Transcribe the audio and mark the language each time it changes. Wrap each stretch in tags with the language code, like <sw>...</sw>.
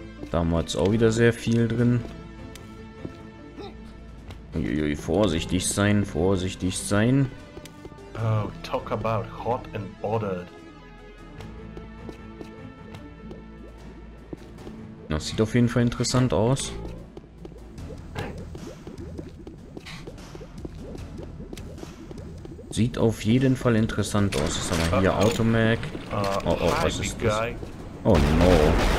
<de>Damals auch wieder sehr viel drin. Uiuiui, vorsichtig sein, vorsichtig sein.</de> <en>Oh, talk about hot and bothered.</en> <de>Das sieht auf jeden Fall interessant aus. Sieht auf jeden Fall interessant aus. Was haben wir hier? Automag. Oh, oh, was ist das?</de> <en>Oh, no.</en>